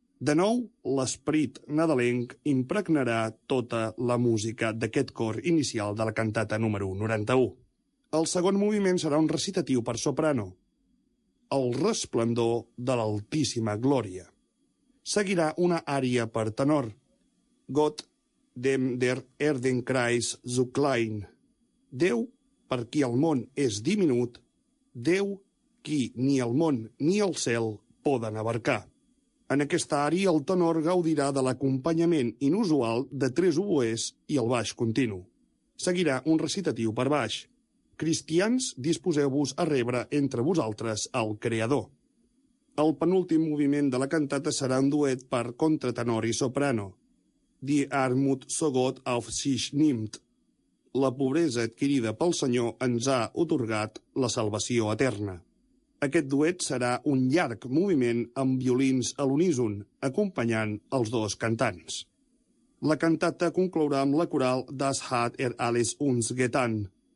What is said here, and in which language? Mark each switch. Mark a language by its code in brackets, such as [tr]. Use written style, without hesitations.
[ca] De nou, l'esperit nadalenc impregnarà tota la música d'aquest cor inicial de la cantata número 91. El segon moviment serà un recitatiu per soprano, el resplendor de l'altíssima glòria. Seguirà una ària per tenor, Gott [de] dem der Erdenkreis zu klein. [ca] Déu, per qui el món és diminut, Déu, qui ni el món ni el cel poden abarcar. En aquesta ària, el tenor gaudirà de l'acompanyament inusual de tres oboès i el baix continu. Seguirà un recitatiu per baix. Cristians, disposeu-vos a rebre entre vosaltres el Creador. El penúltim moviment de la cantata serà un duet per contratenor i soprano. [de] Die Armut so Gott auf sich nimmt. [ca] La pobresa adquirida pel Senyor ens ha otorgat la salvació eterna. Aquest duet serà un llarg moviment amb violins a l'uníson, acompanyant els dos cantants. La cantata conclourà amb la coral Das hat alles uns getan.